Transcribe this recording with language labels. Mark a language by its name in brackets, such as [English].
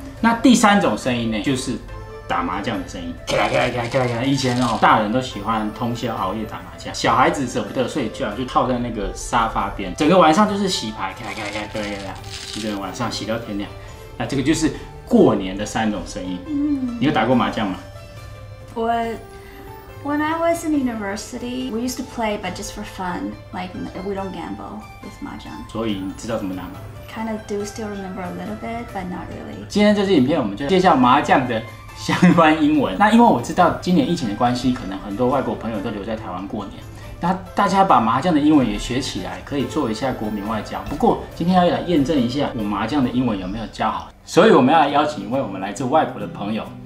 [Chinese] 那第三种声音呢，就是打麻将的声音，咔啦咔啦咔啦咔啦咔啦。以前哦，大人都喜欢通宵熬夜打麻将，小孩子舍不得睡觉，就套在那个沙发边，整个晚上就是洗牌，咔啦咔啦咔啦咔啦咔啦，洗整个晚上，洗到天亮。那这个就是过年的三种声音。你有打过麻将吗？ [English] 我 ，When I was in university, we used to play, but just for fun, like we don't gamble with 麻将。 [Chinese] 所以你知道怎么打吗？ [English] Kind of do still remember a little bit, but not really. [Chinese] 今天这支影片我们就介绍麻将的相关英文。那因为我知道今年疫情的关系，可能很多外国朋友都留在台湾过年。那大家把麻将的英文也学起来，可以做一下国民外交。不过今天要来验证一下我麻将的英文有没有教好，所以我们要来邀请一位我们来自外国的朋友。